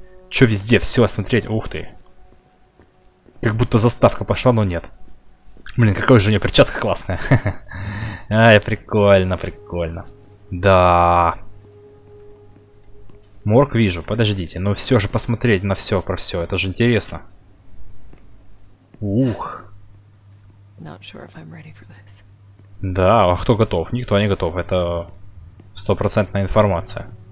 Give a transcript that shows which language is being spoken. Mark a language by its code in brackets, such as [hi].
[ru] Что везде все осмотреть. Ух ты. Как будто заставка пошла, но нет. Блин, какая же у нее перчатка классная. Ай, прикольно, прикольно. Да. Морг вижу, подождите. Ну все же посмотреть на все, про все. Это же интересно. Ух. [en] Not sure if I'm ready for this. [ru] Да, а кто готов? Никто не готов. Это стопроцентная информация.